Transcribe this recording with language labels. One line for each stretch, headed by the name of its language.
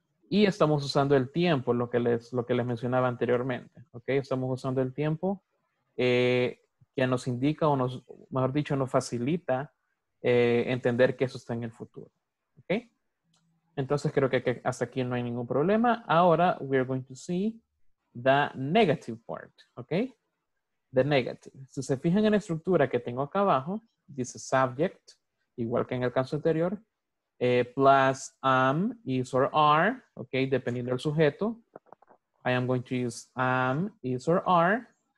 Spanish: Y estamos usando el tiempo, lo que les mencionaba anteriormente, ¿ok? Estamos usando el tiempo. Que nos indica o nos, mejor dicho, nos facilita entender que eso está en el futuro. ¿Ok? Entonces creo que hasta aquí no hay ningún problema. Ahora
English: we are going to see the negative part. ¿Ok? The negative.
Spanish: Si se fijan en la estructura que tengo acá abajo, dice subject, igual que en el caso anterior,
English: plus am, is, or are,
Spanish: ¿ok? Dependiendo del sujeto.
English: I am going to use am, is, or are.